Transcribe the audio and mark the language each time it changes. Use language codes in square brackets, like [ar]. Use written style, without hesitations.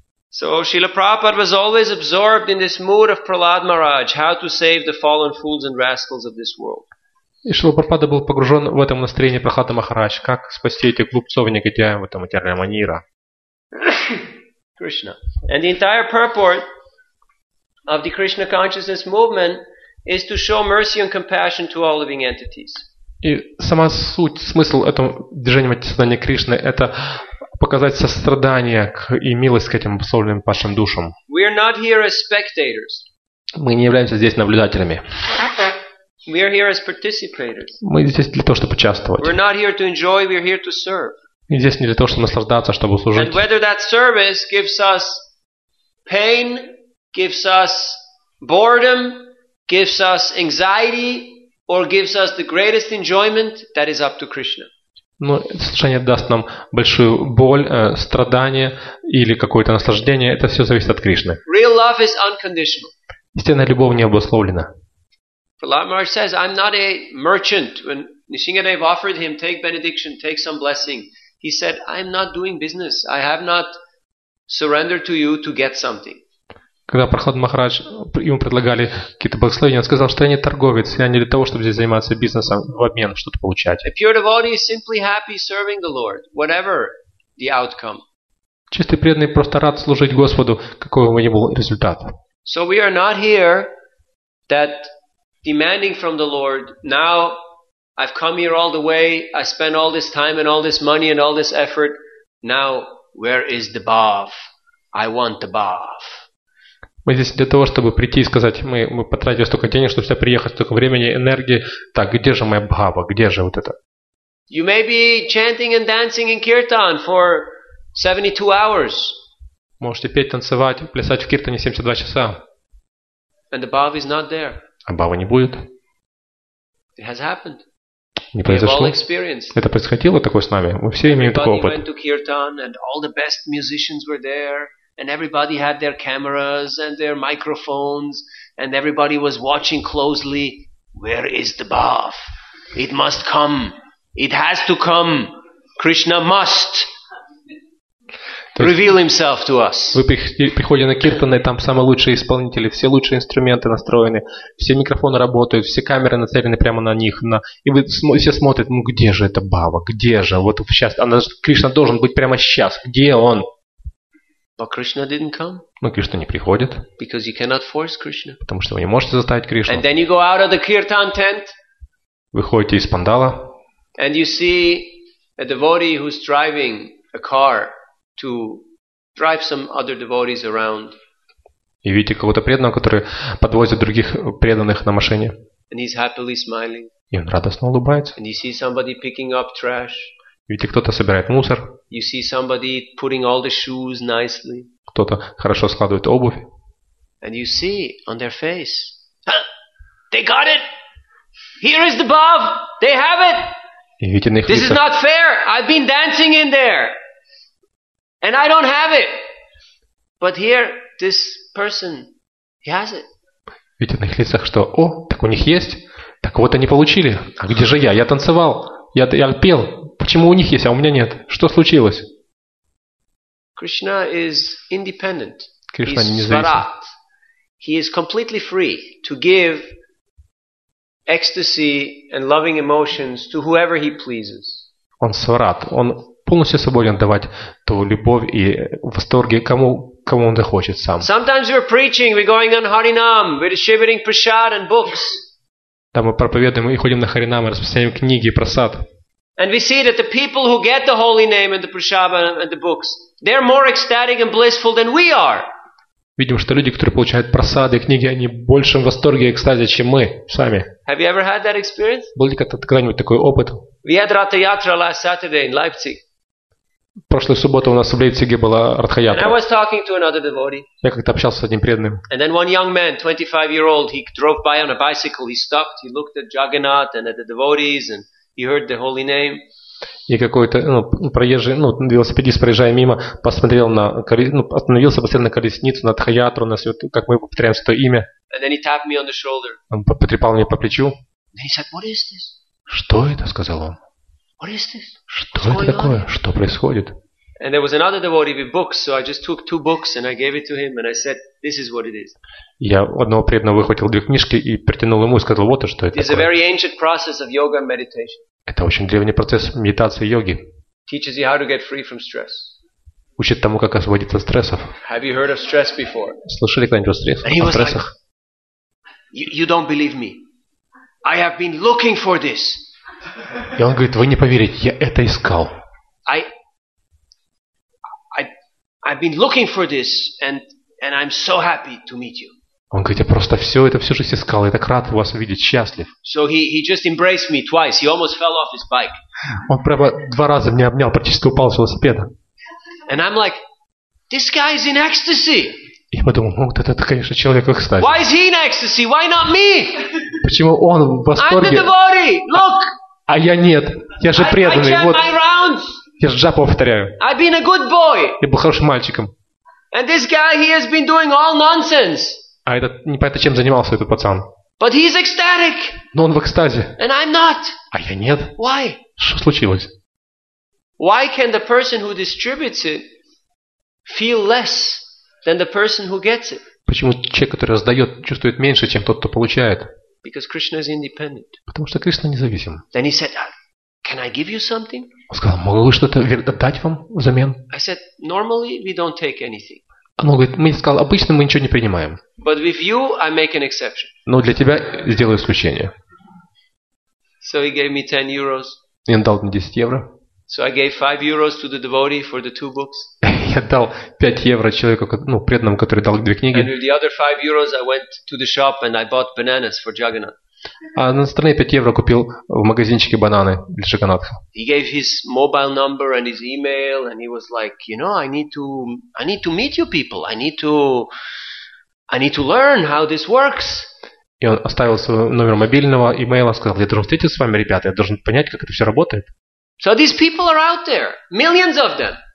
[en] So Srila Prabhupada was always absorbed in this mood of Prahlad Maharaj, how to save the fallen fools and rascals of this world. [ru] И Шрила Прабхупада был погружен в этом настроении Прахлада Махарадж, как спасти этих глупцов и негодяев в этом материальном мире. [en] Krishna. And the entire purport of the Krishna consciousness movement is to show mercy and compassion to all living entities. [ru] И сама суть, смысл этого движения материализации Кришны – это показать сострадание и милость к этим обусловленным падшим душам. [en] We are not here as spectators. [ru] Мы не являемся здесь наблюдателями. [en] We are here as participators. [ru] Мы здесь для того, чтобы участвовать. [en] We are not here to enjoy, we are here to serve. [ru] Мы здесь не для того, чтобы наслаждаться, чтобы служить. [en] And whether that service gives us pain, gives us boredom, gives us anxiety, or gives us the greatest enjoyment, that is up to Krishna. [ru] Но это служение даст нам большую боль, страдание или какое-то наслаждение. Это все зависит от Кришны. [en] Real love is unconditional. [ru] Истинная любовь не обусловлена. [en] Prahlad Maharaj says, I'm not a merchant. When Nisingadev offered him, take benediction, take some blessing, he said, I'm not doing business. I have not surrendered to you to get something. [ru] Когда Прахлад Махарадж, ему предлагали какие-то благословения, он сказал, что я не торговец, я не для того, чтобы здесь заниматься бизнесом, в обмен что-то получать. [en] A pure devotee is simply happy serving the Lord, whatever the outcome. [ru] Чистый преданный просто рад служить Господу, какой бы ни был результат. [en] So we are not here that demanding from the Lord, now I've come here all the way, I spent all this time and all this money and all this effort, now where is the Bav? I want the Bav. [ru] Мы здесь для того, чтобы прийти и сказать, мы потратили столько денег, чтобы сюда приехать, столько времени, энергии. Так, где же моя Бхава? Где же вот это? [en] You may be chanting and dancing in Kirtan for 72 hours. [ru] Можете петь, танцевать, плясать в Киртане 72 часа. [en] And the Bhava is not there. [ru] А Бхава не будет. [en] It has happened. [ru] Не произошло. Это происходило такое с нами. Мы все имеем такой опыт. [en] Everybody went to Kirtan and all the best musicians were there. And everybody had their cameras and their microphones, and everybody was watching closely. Where is the Bhav? It must come. It has to come. Krishna must reveal himself to us. [ru] Вы приходите на киртаны, там самые лучшие исполнители, все лучшие инструменты настроены, все микрофоны работают, все камеры нацелены прямо на них. И вы все смотрят, ну где же эта Бхава? Где же? Вот сейчас Кришна должен быть прямо сейчас. Где он? [en] But Krishna didn't come. [ru] Но Кришна не приходит. [en] Because you cannot force Krishna. [ru] Потому что вы не можете заставить Кришну. [en] And then you go out of the kirtan tent. [ru] Выходите из пандала. [en] And you see a devotee who's driving a car to drive some other devotees around. [ru] И видите какого-то преданного, который подвозит других преданных на машине. [en] And he's happily smiling. [ru] И он радостно улыбается. [en] And you see somebody picking up trash. [ru] Видите, кто-то собирает мусор. [en] You see somebody putting all the shoes nicely. [ru] Кто-то хорошо складывает обувь. [en] And you see on their face, they got it. Here is the Bhav. They have it. [ru] И видите, на их лицах. [en] This is not fair. I've been dancing in there, and I don't have it. But here, this person, he has it. [ru] Видите, на их лицах, что, о, так у них есть, так вот они получили. А где же я? Я танцевал, я пел. Почему у них есть, а у меня нет? Что случилось? [en] Krishna is independent. [ru] Кришна независим. [en] He is completely free to give ecstasy and loving emotions to whoever he pleases. [ru] Он сварат. Он полностью свободен давать ту любовь и восторги кому он захочет сам. [en] Sometimes we're preaching, we're going on Harinam, we're distributing prasad and books. [ru] Там мы проповедуем и ходим на Харинам и распространяем книги и прасад. [en] And we see that the people who get the holy name and the prasada and the books, they're more ecstatic and blissful than we are. [ru] Видим, что люди, которые получают прасады и книги, они в большем восторге и экстазе, чем мы сами. [en] Have you ever had that experience? [ru] Был ли когда-нибудь такой опыт? [en] We had Ratha-yatra last Saturday in Leipzig. [ru] Прошлую субботу у нас в Лейпциге была Ратха-ятра. [en] And I was talking to another devotee. [ru] Я как-то общался с одним преданным. [en] And then one young man, 25-year-old, he drove by on a bicycle. He stopped. He looked at Jagannath and at the devotees and he heard the holy name. [ru] И какой-то велосипедист, проезжая мимо, посмотрел на остановился, посмотрел на колесницу, на Тхаятру, на свет, как мы повторяем свое имя. [en] And then he tapped me on the shoulder. [ru] Он потрепал меня по плечу. [en] And he said, what is this? [ru] Что это, сказал он? [en] What is this? [ru] Что это такое? Что происходит? [en] And there was another devotee with books, so I just took two books and I gave it to him and I said, this is what it is. [ru] Я одного преданного выхватил две книжки и притянул ему и сказал, вот что это. [en] It's a very ancient process of yoga and meditation. [ru] Это очень древний процесс медитации и йоги. [en] Teaches you how to get free from stress. [ru] Учит тому, как освободиться от стрессов. [en] Have you heard of stress before? [ru] Слышали когда-нибудь о стрессах? [en] And he was like, you don't believe me. I have been looking for this. [ru] И он говорит, вы не поверите, я это искал. [en] I've been looking for this and I'm so happy to meet you. [ru] Он говорит, я просто все это всю жизнь искал, я так рад вас увидеть, счастлив. [en] So he just embraced me twice. He almost fell off his bike. [ru] Он прямо два раза меня обнял, практически упал с велосипеда. [en] And I'm like, this guy is in ecstasy. [ru] И я думаю, ну вот это, конечно, человек в экстазе. [en] Why is he in ecstasy? Why not me? [ru] Почему он в восторге? [en] I'm the devotee. Look. [ru] А я нет, я же преданный. [en] I chant my rounds. [ru] Я же джапу повторяю. [en] I've been a good boy. [ru] Я был хорошим мальчиком. [en] And this guy, he has been doing all nonsense. [ru] А этот не понятно, чем занимался этот пацан. [en] But he's ecstatic. [ru] Но он в экстазе. [en] And I'm not. [ru] А я нет. [en] Why? [ru] Что случилось? [en] Why can the person who distributes it feel less than the person who gets it? [ru] Почему человек, который раздает, чувствует меньше, чем тот, кто получает? [en] Because Krishna is independent. [ru] Потому что Кришна независим. [en] Then he said, can Can I give you something? [ru] Он сказал, могу ли что-то дать вам взамен? [en] I said, normally we don't take anything. [ru] Он говорит, мы сказал, обычно мы ничего не принимаем. [en] But with you, I make an exception. [ru] Но для тебя сделаю исключение. [en] So he gave me 10 euros. [ru] И он дал мне 10 евро. [en] So I gave 5 euros to the devotee for the two books. [ru] Я дал 5 евро человеку, ну, преданному, который дал две книги. [en] And with the other 5 euros, I went to the shop and I bought bananas for Jagannath. [ru] А на стороне 5 евро купил в магазинчике бананы для Джаганатха. [en] He gave his mobile number and his email and he was like, you know, I need to meet you people. I need to learn how this works. [ru] И он оставил свой номер мобильного, имейла, сказал, я должен встретиться с вами, ребята, я должен понять, как это все работает. [en] So these people are out there, millions of them.